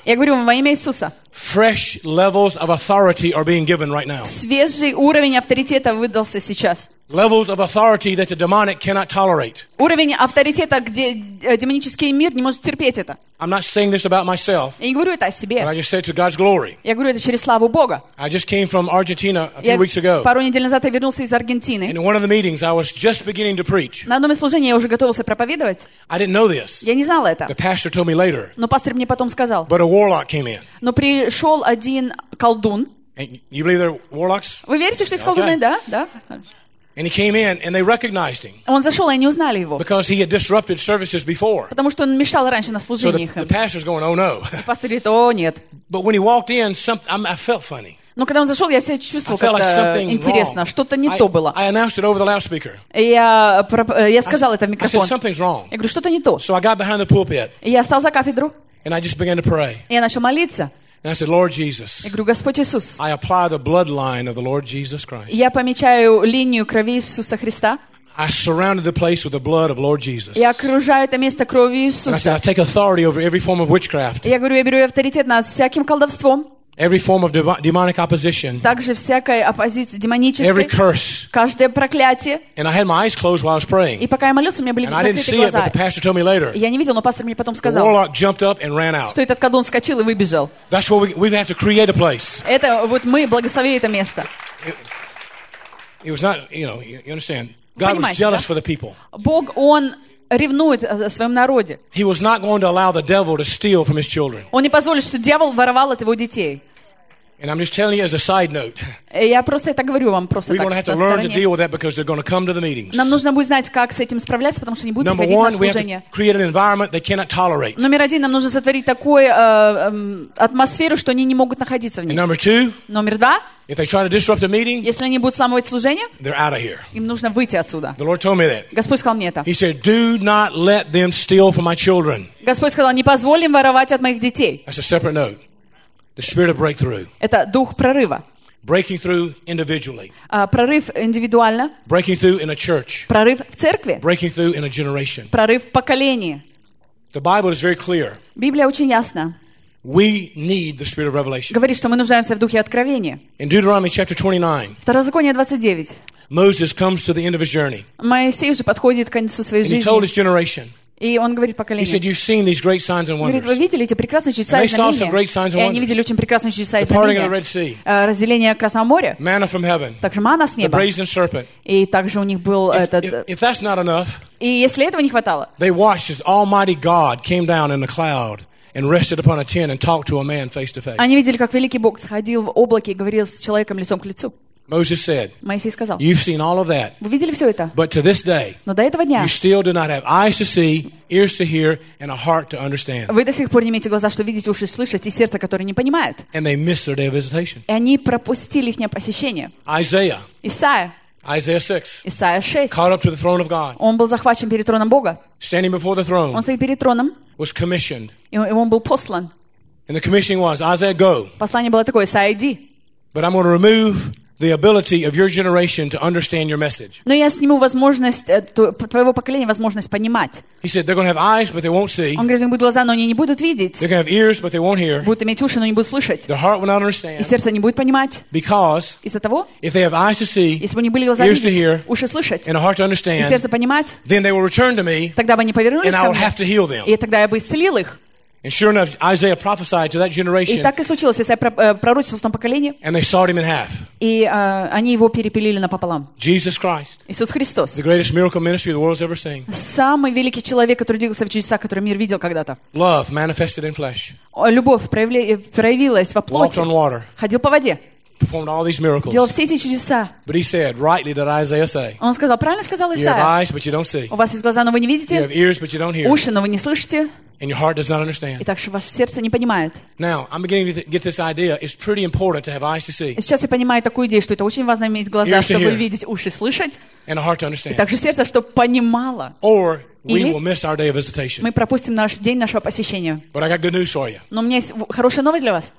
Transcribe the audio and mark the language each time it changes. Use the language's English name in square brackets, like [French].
[Russian] Я говорю вам во имя Иисуса. [English] Fresh levels of authority are being given right now. [Russian] Свежий уровень авторитета выдался сейчас. [English] Levels of authority that the demonic cannot tolerate. [Russian] Уровень авторитета, где демонический мир не может терпеть это. [English] I'm not saying this about myself. [Russian] Я не говорю это о себе. [English] But I just say it to God's glory. [Russian] Я говорю это через славу Бога. [English] I just came from Argentina a few weeks ago. [Russian] Пару недель назад я вернулся из Аргентины. [English] In one of the meetings, I was just beginning to preach. [Russian] На одном из служений я уже готовился проповедовать. [English] I didn't know this. [Russian] Я не знал это. [English] The pastor told me later. [Russian] Но пастор мне потом сказал. [English] But a warlock came in. [Russian] Но пришел один колдун. [English] And you believe they're warlocks? [Russian] Вы верите, что есть колдуны, да? Да. [English] And he came in, and they recognized him. [Russian] Он зашел, и они узнали его. [English] Because he had disrupted services before. [Russian] Потому что он мешал раньше на служениях. [English] So the pastor's going, "Oh no." [Russian] И пастор говорит: "О нет." [English] But when he walked in, I felt funny. [Russian] Но когда он зашел, я себя чувствовал как-то интересно, что-то не то было. [English] I announced it over the loudspeaker. [Russian] Я сказал это в микрофон. [English] I said something's wrong. [Russian] Я говорю, что-то не то. [English] So I got behind the pulpit. [Russian] И я встал за кафедру. [English] And I just began to pray. [Russian] И я начал молиться. [English] And I said, "Lord Jesus." [Russian] Я говорю: "Господь Иисус." [English] I apply the bloodline of the Lord Jesus Christ. [Russian] Я помечаю линию крови Иисуса Христа. [English] I surrounded the place with the blood of Lord Jesus. [Russian] Я окружаю это место кровью Иисуса. [English] And I said, I take authority over every form of witchcraft. [Russian] Я говорю, я беру авторитет над всяким колдовством. [English] Every form of demonic opposition. [Russian] Также всякая оппозиция демоническая. [English] Every curse. [Russian] Каждое проклятие. [English] And I had my eyes closed while I was praying. [Russian] И пока я молился, у меня были закрыты глаза. [English] And I didn't see it, but the pastor told me later. [Russian] Я не видел, но пастор мне потом сказал. [English] The warlock jumped up and ran out. [Russian] Что этот колдун вскочил и выбежал. [English] That's what we have to create a place. [Russian] Это вот мы благословили это место. [English] It was not, you know, you understand. God was jealous for the people. [Russian] Бог, он ревнует о своем народе. [English] He was not going to allow the devil to steal from his children. [Russian] Он не позволит, что дьявол воровал от его детей. [English] And I'm just telling you as a side note. [Russian] Я просто это говорю вам просто так. [English] We're going to have to learn to deal with that because they're going to come to the meetings. [Russian] Нам нужно будет знать, как с этим справляться, потому что они будут приходить на служение. [English] Number one, we have to create an environment they cannot tolerate. [Russian] Номер один, нам нужно сотворить такую атмосферу, что они не могут находиться в ней. [English] And number two. [Russian] Номер два. [English] If they try to disrupt the meeting, [Russian] если они будут сломывать служение, [English] they're out of here. [Russian] Им нужно выйти отсюда. [English] The Lord told me that. [Russian] Господь сказал мне это. [English] He said, "Do not let them steal from my children." [Russian] Господь сказал, не позволь им воровать от моих детей. [English] That's a separate note. The spirit of breakthrough. [Russian] Это дух прорыва. [English] Breaking through individually. [Russian] Прорыв индивидуально. [English] Breaking through in a church. [Russian] Прорыв в церкви. [English] Breaking through in a generation. [Russian] Прорыв в поколении. [English] The Bible is very clear. [Russian] Библия очень ясна. [English] We need the spirit of revelation. [Russian] Говорит, что мы нуждаемся в духе откровения. [English] In Deuteronomy chapter 29. [Russian] Второзаконие 29. [English] Moses comes to the end of his journey. [Russian] Моисей уже подходит к концу своей жизни. [English] He told his generation. [Russian] И он говорит поколению. [English] He said, "You've seen these great signs and wonders." [Russian] Говорит, вы видели эти прекрасные чудеса и знамения? [English] They saw some great signs and wonders. [Russian] И они видели очень прекрасные чудеса и знамения. [English] The parting of the Red Sea. [Russian] Разделение Красного моря. [English] Manna from heaven. [Russian] Также манна с неба. [English] The brazen serpent. [Russian] И также у них был этот. [English] If that's not enough. [Russian] И если этого не хватало. [English] They watched as Almighty God came down in a cloud. And rested upon a tent and talked to a man face to face. [Russian] Они видели, как великий Бог сходил в облаке и говорил с человеком лицом к лицу. [English] Moses said. [Russian] Моисей сказал. [English] You've seen all of that. [Russian] Вы видели все это. [English] But to this day. [Russian] Но до этого дня. [English] You still do not have eyes to see, ears to hear, and a heart to understand. [Russian] Вы до сих пор не имеете глаза, чтобы видеть, уши слышать, и сердце, которое не понимает. [English] And they missed their day of visitation. [Russian] И они пропустили их посещение. [English] Isaiah. [Russian] Исаия. [English] Isaiah 6. [Russian] Исаия 6. [English] Caught up to the throne of God. [Russian] Он был захвачен перед троном Бога. [English] Standing before the throne. [Russian] Он стоял перед троном. [English] Was commissioned. [Russian] И он был послан. [English] And the commissioning was, Isaiah, go. [Russian] Послание было такое: Исаия, иди. [English] But I'm going to remove the ability of your generation to understand your message. [Russian] Но я сниму возможность твоего поколения возможность понимать. [English] He said they're going to have eyes, but they won't see. [Russian] Он говорит, у них будут глаза, но они не будут видеть. [English] They're going to have ears, but they won't hear. [Russian] Будут иметь уши, но не будут слышать. [English] Their heart will not understand. [Russian] И сердце не будет понимать. [English] Because [Russian] из-за того, [English] if they have eyes to see, [Russian] если бы у них были глаза [English] ears [Russian] видеть, [English] to hear, [Russian] уши слышать, [English] and a heart to understand, [Russian] и сердце понимать, [English] then they will return to me. [Russian] Тогда бы они повернулись ко мне. [English] And I will have to heal them. [Russian] И тогда я бы исцелил их. [English] And sure enough, Isaiah prophesied to that generation. [Russian] И так и случилось, Исаия пророчествовал в том поколении. [English] And they sawed him in half. [Russian] И они его перепилили напополам. [English] Jesus Christ. [Russian] Иисус Христос. [English] The greatest miracle ministry the world's ever seen. [Russian] Самый великий человек, который двигался в чудесах, которые мир видел когда-то. [English] Love manifested in flesh. [Russian] Любовь проявилась во плоти. [English] Walked on water. [Russian] Ходил по воде. [English] Performed all these miracles. [Russian] Делал все эти чудеса. [English] But he said, rightly did Isaiah say. [Russian] Он сказал, правильно сказал Исаия. [English] You have eyes, but you don't see. [Russian] У вас есть глаза, но вы не видите. [English] You have ears, but you don't hear. [Russian] Уши, но вы не слышите. [English] And your heart does not understand. [Russian] Итак, что ваше сердце не понимает. [English] Now, I'm beginning to get this idea. It's pretty important to have eyes to see. [Russian] Сейчас я понимаю такую идею, что это очень важно иметь глаза, чтобы видеть, уши слышать. [English] And a heart to understand. [Russian] И также сердце, чтобы понимало. [English] Or we will miss our day of visitation. [Russian] Мы пропустим наш день нашего посещения. [English] But I got good news for you. [Russian] Но у меня есть хорошая новость для вас.